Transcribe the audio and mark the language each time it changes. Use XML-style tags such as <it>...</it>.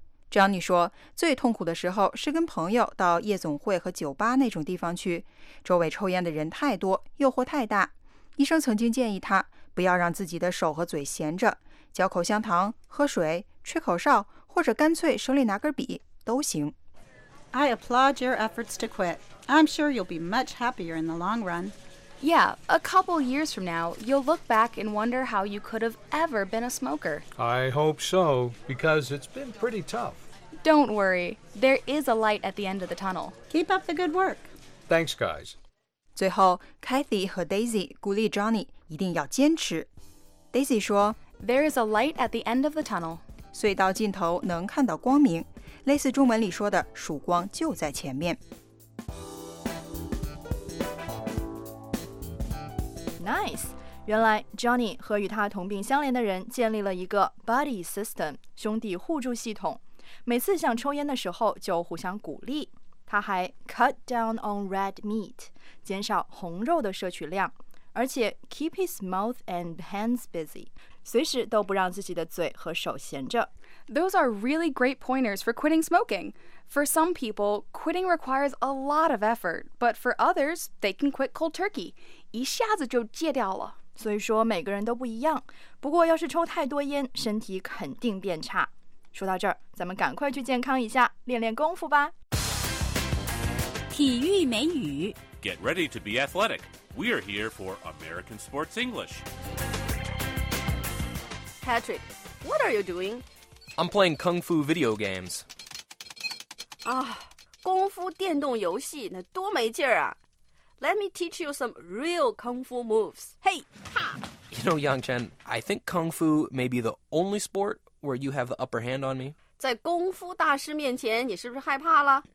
<zh>Johnny 说，最痛苦的时候是跟朋友到夜总会和酒吧那种地方去，周围抽烟的人太多，诱惑太大。医生曾经建议他不要让自己的手和嘴闲着，嚼口香糖、喝水、吹口哨，或者干脆手里拿根笔都行。</zh> <en>I applaud your efforts to quit. I'm sure you'll be much happier in the long run. Yeah, a couple years from now, you'll look back and wonder how you could have ever been a smoker. I hope so, because it's been pretty tough. Don't worry. There is a light at the end of the tunnel. Keep up the good work. Thanks, guys.</en> <zh>最后 ,Kathy 和 Daisy 鼓励 Johnny 一定要坚持。Daisy 说</zh> <en>,There is a light at the end of the tunnel.</en> <zh>隧道尽头能看到光明。类似中文里说的曙光就在前面。 Nice! 原来 Johnny 和与他同病相怜的人建立了一个 buddy system, 兄弟互助系统。每次想抽烟的时候就互相鼓励。他还</zh> <en>cut down on red meat,</en> <zh>减少红肉的摄取量。而且</zh> <en>keep his mouth and hands busy,</en> <zh>随时都不让自己的嘴和手闲着。</zh> <en>Those are really great pointers for quitting smoking. For some people, quitting requires a lot of effort, but for others, they can quit cold turkey.</en> <zh>一下子就戒掉了。所以说每个人都不一样。不过要是抽太多烟，身体肯定变差。说到这儿，咱们赶快去健康一下，练练功夫吧。体育美语。</zh> <en>Get ready to be athletic. We are here for American Sports English. Patrick, what are you doing? I'm playing Kung Fu video games.</en> <zh>Ah, 功夫电动游戏那多没劲儿啊。</zh> <en>Let me teach you some real Kung Fu moves. Hey, ha! You know, Yang Chen, I think Kung Fu may be the only sport where you have the upper hand on me.</en> <zh>在功夫大师面前你是不是害怕了?</zh>